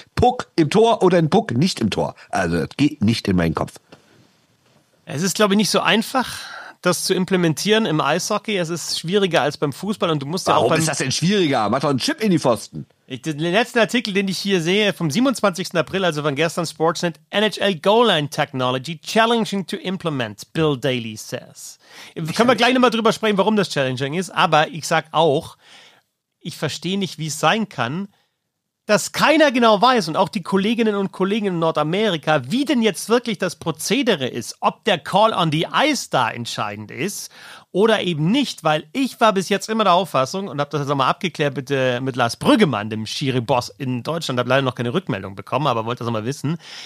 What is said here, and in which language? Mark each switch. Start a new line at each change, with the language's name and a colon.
German: Puck im Tor oder ein Puck nicht im Tor. Also das geht nicht in meinen Kopf. Es ist, glaube ich, nicht so einfach, das zu implementieren im Eishockey. Es ist schwieriger als beim Fußball. Und du musst Warum ist das denn schwieriger? Mach doch einen Chip in die Pfosten. Den letzten Artikel, den ich hier sehe, vom 27. April, also von gestern,
English: Sportsnet, NHL Goal Line Technology challenging to implement, Bill Daly says.
German: Können wir gleich nochmal drüber sprechen, warum das challenging ist. Aber ich sag auch, ich verstehe nicht, wie es sein kann, dass keiner genau weiß und auch die Kolleginnen und Kollegen in Nordamerika, wie denn jetzt wirklich das Prozedere ist, ob der Call on the Ice da entscheidend ist oder eben nicht, weil ich war bis jetzt immer der Auffassung und habe das jetzt auch mal abgeklärt mit Lars Brüggemann, dem Schiri-Boss in Deutschland, habe leider noch keine Rückmeldung bekommen, aber wollte das auch mal wissen.